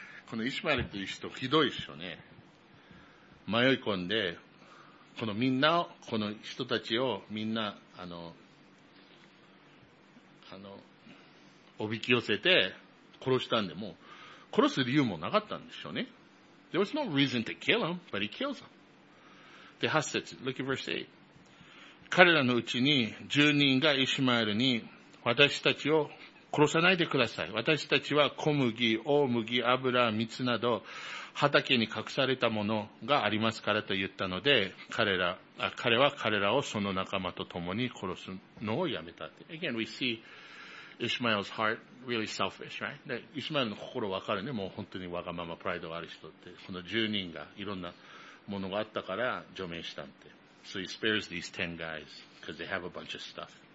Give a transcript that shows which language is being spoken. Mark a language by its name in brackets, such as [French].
[Japanese] このイシュマエルという人ひどいっしょね。迷い込んで、このみんなを、この人たちをみんな、おびき寄せて殺したんで、もう殺す理由もなかったんでしょうね。 [English] There was no reason to kill him, but he kills him. で、8節、look at verse 8. [Japanese] 彼らのうちに10人がイシュマエルに私たちを殺さないでください。私たちは小麦、大麦、油、蜜など畑に隠されたものがありますからと言ったので、彼は彼らをその仲間と共に殺すのをやめた。 [English] Again, we see Ishmael's heart really selfish, right? [Japanese] Ishmael の心わかるね。もう本当にわがままプライドがある人って、その10人がいろんなものがあったから除名したって。 [English] So he spares these 10 guys because they have a bunch of stuff.